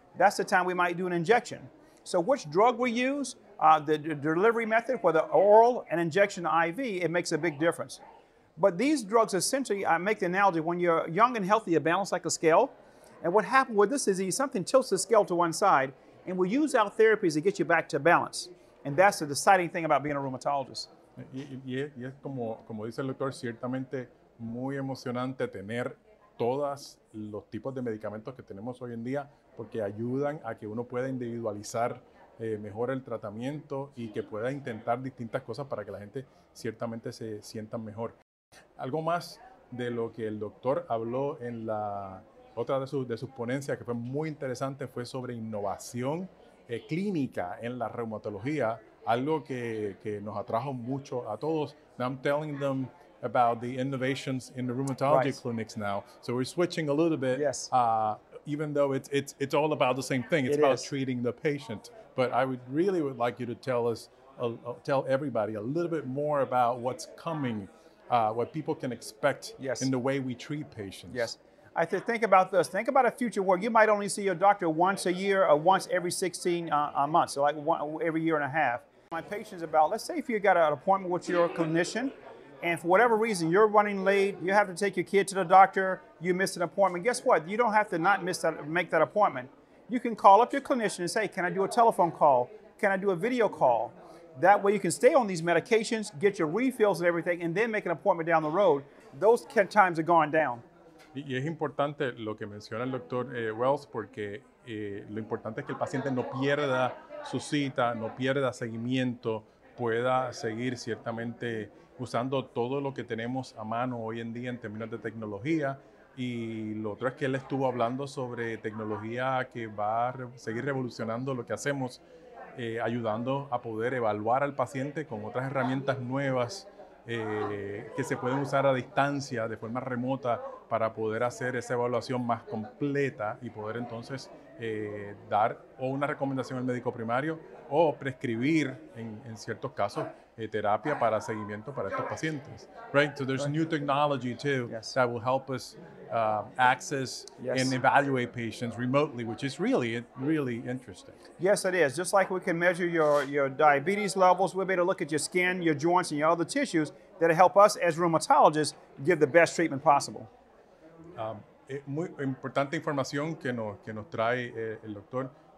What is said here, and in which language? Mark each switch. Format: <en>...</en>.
<en>That's the time we might do an injection. So which drug we use, the delivery method, whether oral, an injection, IV, it makes a big difference. But these drugs essentially, I make the analogy, when you're young and healthy, you balance like a scale. And what happened with this disease, something tilts the scale to one side, and we use our therapies to get you back to balance. And that's the exciting thing about being a rheumatologist.</en> <es>Y es como dice el doctor, ciertamente muy emocionante tener todos los tipos de medicamentos que tenemos hoy en día, porque ayudan a que uno pueda individualizar mejor el tratamiento y que pueda intentar distintas cosas para que la gente ciertamente se sienta mejor. Algo más de lo que el doctor habló en la otra de sus ponencias, que fue muy interesante, fue sobre innovación clínica en la reumatología, algo que nos atrajo mucho a todos.</es> <en>Now I'm telling them about the innovations in the rheumatology clinics now. So we're switching a little bit. Yes. Even though it's all about the same thing, it's about treating the patient. But I would like you to tell everybody a little bit more about what's coming, what people can expect in the way we treat patients. Yes, I think about this. Think about a future where you might only see your doctor once a year or once every 16 months, so like one, every year and a half. My patients about, let's say if you got an appointment with your clinician, and for whatever reason, you're running late, you have to take your kid to the doctor, you miss an appointment, guess what? You don't have to not make that appointment. You can call up your clinician and say, can I do a telephone call? Can I do a video call? That way you can stay on these medications, get your refills and everything, and then make an appointment down the road. Those times are going down.</en> <es>Y es importante lo que menciona el doctor Wells, porque lo importante es que el paciente no pierda su cita, no pierda seguimiento, pueda seguir ciertamente usando todo lo que tenemos a mano hoy en día en términos de tecnología. Y lo otro es que él estuvo hablando sobre tecnología que va a seguir revolucionando lo que hacemos, ayudando a poder evaluar al paciente con otras herramientas nuevas que se pueden usar a distancia, de forma remota, para poder hacer esa evaluación más completa y poder entonces dar o una recomendación al médico primario o prescribir en ciertos casos terapia para seguimiento para estos pacientes.</es> <en>Right? So there's new technology too that will help us access and evaluate patients remotely, which is really, really interesting. Yes, it is. Just like we can measure your diabetes levels, we'll be able to look at your skin, your joints, and your other tissues that help us as rheumatologists give the best treatment possible.</en> <es>Muy importante información que nos trae el doctor.</es>